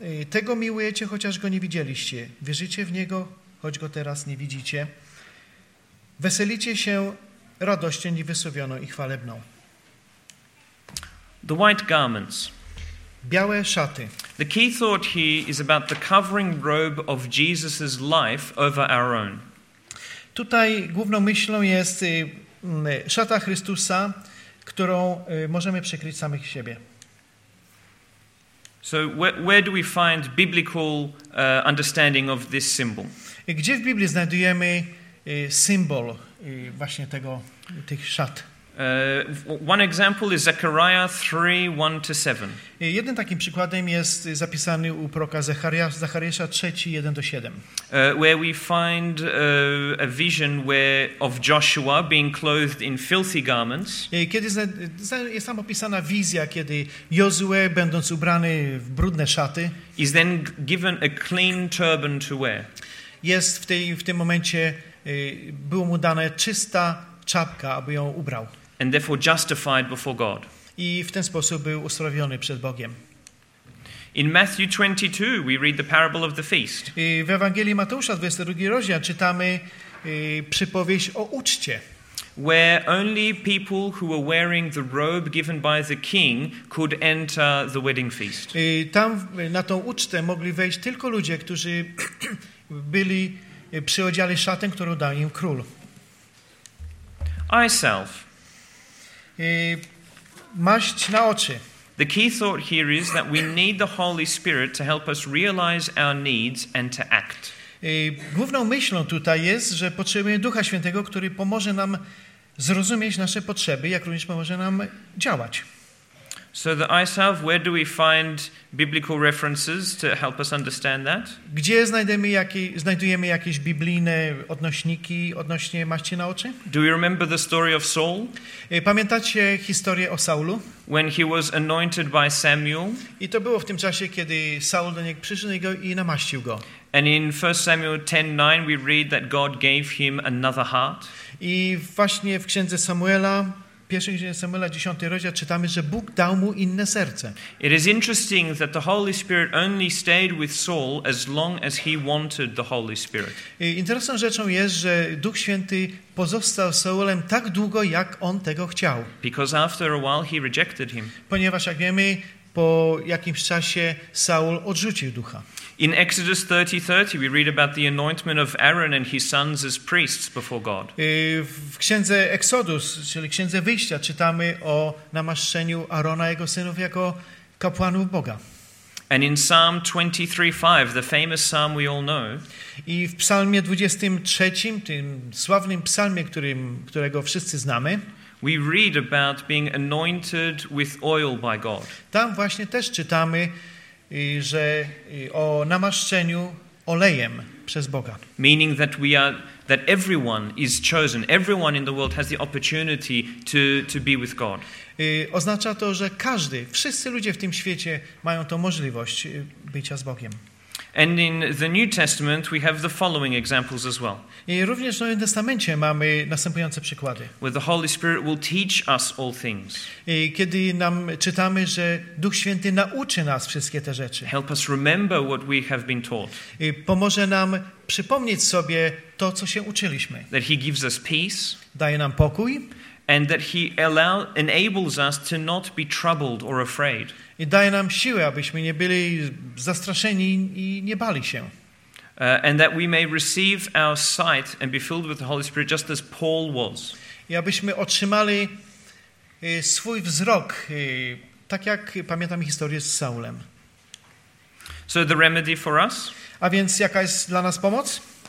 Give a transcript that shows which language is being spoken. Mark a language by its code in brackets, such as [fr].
[pl] Tego miłujecie, chociaż Go nie widzieliście. Wierzycie w Niego, choć Go teraz nie widzicie. Weselicie się radością niewysłowioną i chwalebną. [en] The white garments. [pl] Białe szaty. [en] The key thought here is about the covering robe of Jesus's life over our own. [pl] Tutaj główną myślą jest szata Chrystusa, którą możemy przykryć samych siebie. [en] So where do we find biblical understanding of this symbol? [pl] Gdzie w Biblii znajdujemy symbol właśnie tego tych szat? [en] One example is Zechariah 3:1-7. [pl] Jeden takim przykładem jest zapisany u proroka Zachariasza 3:1-7. [en] Where we find a vision where of Joshua being clothed in filthy garments. [pl] Kiedy jest tam opisana wizja, kiedy Jozue, będąc ubrany w brudne szaty, [en] is then given a clean turban to wear. [pl] Jest w tym momencie było mu dane czysta czapka, aby ją ubrał. [en] And therefore justified before God. [pl] I w ten sposób był usprawiedliwiony przed Bogiem. [en] In Matthew 22 we read the parable of the feast. [pl] W Ewangelii Mateusza 22 rozdział czytamy przypowieść o uczcie. [en] Where only people who were wearing the robe given by the king could enter the wedding feast. [pl] Tam na tą ucztę mogli wejść tylko ludzie, którzy byli przyodziali szatę, którą dał im król. [en] Eyeself. [pl] Maść na oczy. [en] The key thought here is that we need the Holy Spirit to help us realize our needs and to act. [pl] Główną myślą tutaj jest, że potrzebujemy Ducha Świętego, który pomoże nam zrozumieć nasze potrzeby, jak również pomoże nam działać. [en] So the eyesalve, where do we find biblical references to help us understand that? [pl] Gdzie znajdujemy jakieś biblijne odnośniki odnośnie maści na oczy? [en] Do we remember the story of Saul? [pl] Pamiętacie historię o Saulu? [en] When he was anointed by Samuel? [pl] I to było w tym czasie, kiedy Saul do niego przyszedł i namaścił go. [en] And in 1 Samuel 10:9 we read that God gave him another heart. [pl] I właśnie w Księdze Samuela, w pierwszym księdze Samuela 10 rozdział czytamy, że Bóg dał mu inne serce. [en] It is interesting that the Holy Spirit only stayed with Saul as long as he wanted the Holy Spirit. [pl] Interesującą rzeczą jest, że Duch Święty pozostał Saulem tak długo, jak on tego chciał. [en] Because after a while he rejected him. [pl] Ponieważ jak wiemy, po jakimś czasie Saul odrzucił Ducha. [en] In Exodus 30:30 we read about the anointment of Aaron and his sons as priests before God. [pl] W księdze Exodus, czyli księdze wyjścia, czytamy o namaszczeniu Aarona i jego synów jako kapłanów Boga. [en] And in Psalm 23:5, the famous psalm we all know. [pl] I w psalmie 23, tym sławnym psalmie, którego wszyscy znamy, [en] we read about being anointed with oil by God. [pl] Tam właśnie też czytamy, że o namaszczeniu olejem przez Boga. [en] Meaning that we are, that everyone is chosen, everyone in the world has the opportunity to be with God. [pl] Oznacza to, że każdy, wszyscy ludzie w tym świecie mają tą możliwość bycia z Bogiem. [en] And in the New Testament we have the following examples as well. [pl] I również w Nowym Testamencie mamy następujące przykłady. [en] Where the Holy Spirit will teach us all things. [pl] I kiedy nam czytamy, że Duch Święty nauczy nas wszystkie te rzeczy. [en] Help us remember what we have been taught. [pl] I pomoże nam przypomnieć sobie to, co się uczyliśmy. [en] That he gives us peace. [pl] Daje nam pokój. [en] And that he enables us to not be troubled or afraid. [pl] I daje nam siłę, abyśmy nie byli zastraszeni i nie bali się. [en] And that we may receive our sight and be filled with the Holy Spirit just as Paul was. [pl] I abyśmy otrzymali swój wzrok, tak jak pamiętam historię z Saulem. [en] So the remedy for us? [pl] A więc jaka jest dla nas pomoc?